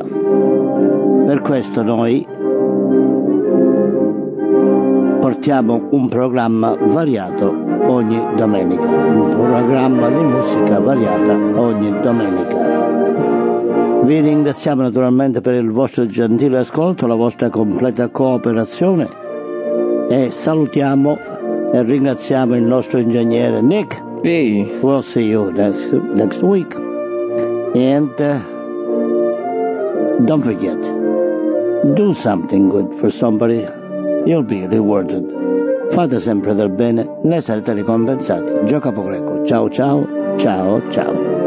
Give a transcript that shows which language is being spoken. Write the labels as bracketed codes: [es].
[it] Per questo noi portiamo un programma variato ogni domenica, un programma di musica variata ogni domenica. Vi ringraziamo naturalmente per il vostro gentile ascolto, la vostra completa cooperazione, e salutiamo e ringraziamo il nostro ingegnere Nick. [en] Hey. We'll see you next week. And don't forget, do something good for somebody, you'll be rewarded. [it] Fate sempre del bene, ne sarete ricompensati. Gioca poco greco. Ciao ciao ciao ciao.